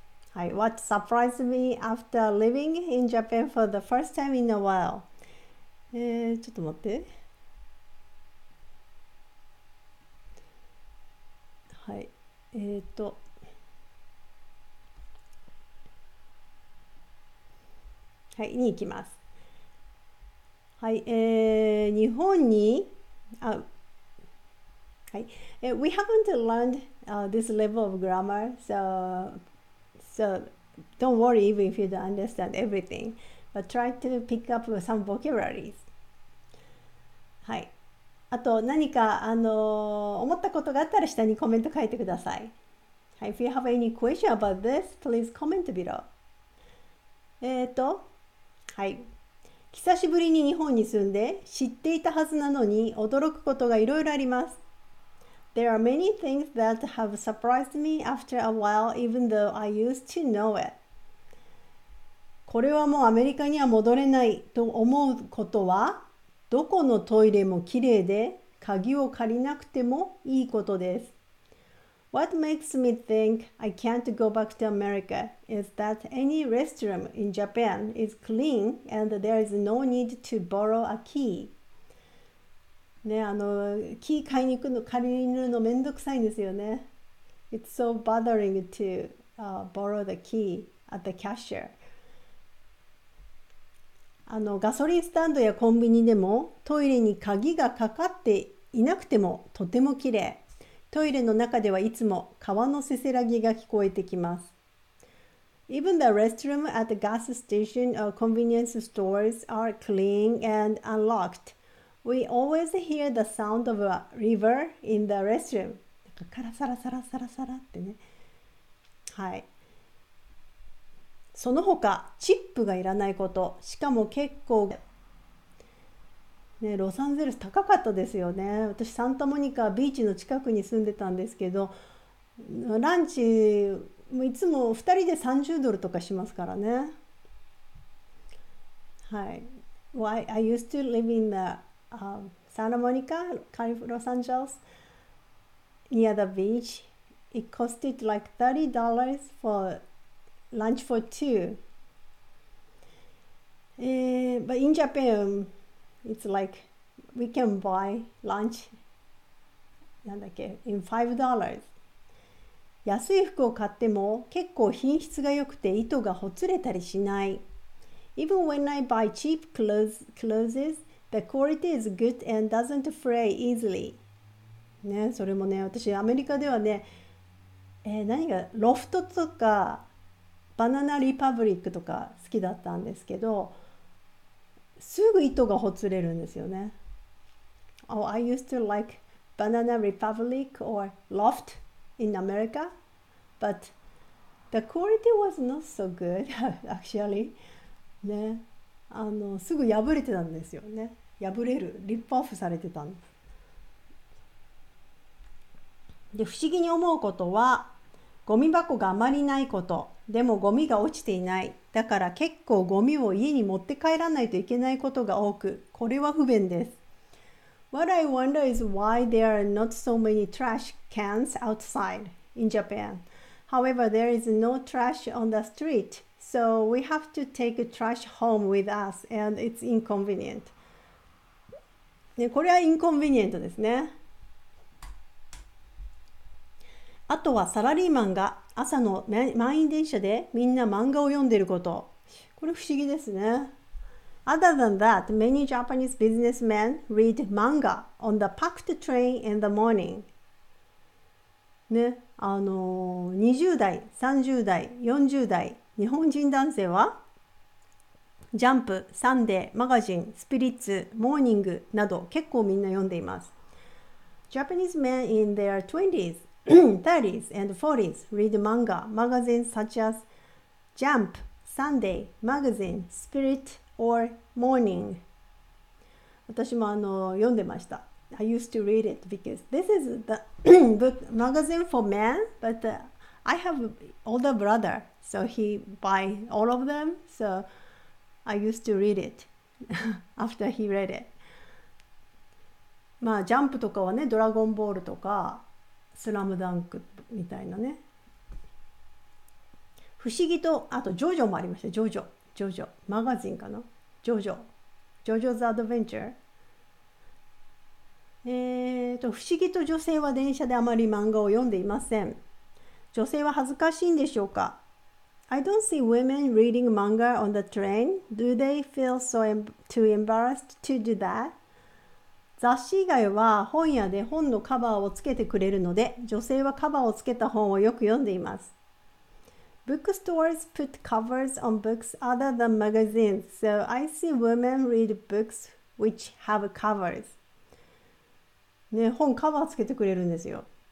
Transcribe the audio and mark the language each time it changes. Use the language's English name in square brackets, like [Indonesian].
[English] はい、 What surprised me after living in Japan for the first time in a while。 [Japanese] ちょっと待って、はい、はい、に行きます。 [English] はい、 [Japanese] 日本に、 [English] あ、はい、we haven't learned、this level of grammar, so don't worry even if you don't understand everything, but try to pick up some vocabularies。 [Japanese] はい、あと何か思ったことがあったら下にコメント書いてください。 [English] はい、If you have any question about this, please comment below。 [Japanese] はい、久しぶりに日本に住んで知っていたはずなのに驚くことがいろいろあります。 [English] There are many things that have surprised me after a while, even though I used to know it。 [Japanese] これはもうアメリカには戻れないと思うことは、どこのトイレもきれいで鍵を借りなくてもいいことです。 [English] What makes me think I can't go back to America is that any restroom in Japan is clean and there is no need to borrow a key。 [Japanese] ね、キー買いに行くの、借りに行くのめんどくさいんですよね。 [English] It's so bothering to、borrow the key at the cashier。 [Japanese] ガソリンスタンドやコンビニでもトイレに鍵がかかっていなくてもとてもきれい。トイレの中ではいつも川のせせらぎが聞こえてきます。 [English] Even the restroom at the gas station or convenience stores are clean and unlocked. We always hear the sound of a river in the restroom。 [Japanese] なんかカラサラサラサラサラってね。はい、その他、チップがいらないこと、しかも結構、ね、ロサンゼルス高かったですよね。私、サンタモニカビーチの近くに住んでたんですけど、ランチ、いつも2人で30ドルとかしますからね。はい。 [English] Well, I used to live in the Santa Monica, Los Angeles, near the beach. It costed like $30 for... Lunch for two. But in Japan, it's like we can buy lunch in $5. [Japanese] 安い服を買っても結構品質が良くて糸がほつれたりしない。 [English] Even when I buy cheap clothes, the quality is good and doesn't fray easily. [Japanese] ね、それもね、私アメリカではね、何がロフトとかバナナリパブリックとか好きだったんですけど、すぐ糸がほつれるんですよね。 [English] Oh, I used to like Banana Republic or Loft in America, but the quality was not so good, actually. [Japanese] ね、すぐ破れてたんですよね。破れる、リップオフされてたんです。で、不思議に思うことは、ゴミ箱があまりないこと。でもゴミが落ちていない。だから結構ゴミを家に持って帰らないといけないことが多く、これは不便です。 [English] What I wonder is why there are not so many trash cans outside in Japan. However, there is no trash on the street, so we have to take trash home with us, and it's inconvenient.、 [Japanese] ね、これはインコンビニエントですね。あとはサラリーマンが朝の満員電車でみんな漫画を読んでること。これ不思議ですね。 [English] Other than that, many Japanese businessmen read manga on the packed train in the morning. [Japanese] ね、20代、30代、40代、日本人男性はジャンプ、サンデー、マガジン、スピリッツ、モーニングなど結構みんな読んでいます。 [English] Japanese men in their 20s, 30s and 40s read manga, magazines such as Jump, Sunday, Magazine, Spirit or Morning. [Japanese] 私も読んでました。 [English] I used to read it because this is the book magazine for men, but I have an older brother, so he buy all of them, so I used to read it after he read it. [Japanese] まあ、ジャンプとかはね、ドラゴンボールとか、スラムダンクみたいなね。不思議と、あと、ジョジョもありました。ジョジョ。ジョジョ。マガジンかな？ジョジョ。ジョジョズ・アドベンチャー。不思議と女性は電車であまり漫画を読んでいません。女性は恥ずかしいんでしょうか？ [English] I don't see women reading manga on the train. Do they feel so too embarrassed to do that? [Japanese] 雑誌以外は本屋で本のカバーをつけてくれるので、女性はカバーをつけた本をよく読んでいます。 [English] Bookstores put covers on books other than magazines, so I see women read books which have covers. [Japanese] ね、本カバーつけてくれるんですよ。